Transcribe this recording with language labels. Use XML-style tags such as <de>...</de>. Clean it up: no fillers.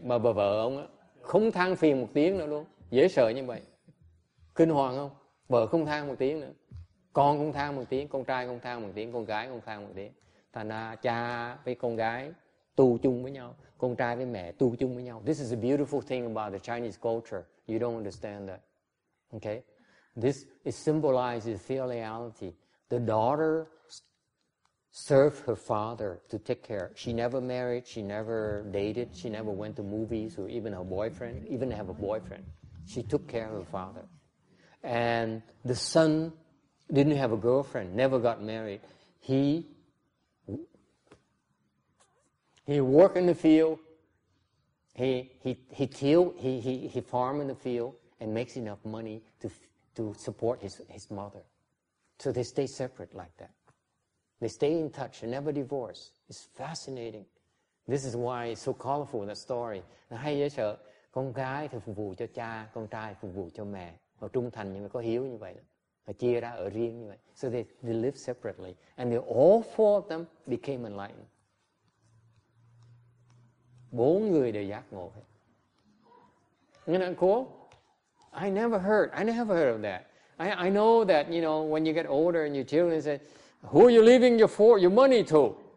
<vi>Mà bà vợ ông không than phiền một tiếng nữa luôn. Dễ sợ như vậy. Kinh hoàng không? Vợ không than một tiếng nữa. Con không than một tiếng. Con trai không than một tiếng. Con gái không than một tiếng. Thành ra cha với con gái tu chung với nhau, con trai với mẹ tu chung với nhau.</vi> <en>This is a beautiful thing about the Chinese culture. You don't understand that. Okay? This is symbolizes filiality. The daughter served her father to take care. She never married, she never dated, she never went to movies or even have a boyfriend. She took care of her father. And the son didn't have a girlfriend, never got married. He worked in the field. He farmed in the field and makes enough money to support his mother. So they stay separate like that. They stay in touch and never divorce. It's fascinating. This is why it's so colorful, the story.</en> <vi>Hay dễ sợ. Con gái thì phục vụ cho cha, con trai phục vụ cho mẹ. Họ trung thành nhưng mà có hiếu như vậy. Họ chia ra ở riêng như vậy.</vi> <en>So they live separately. And they, all four of them became enlightened.</en> <vi>Bốn người đều giác ngộ.</vi> <en>Isn't that cool? I never heard of that. I know that, you know, when you get older and your children say, who are you leaving your money to?</en>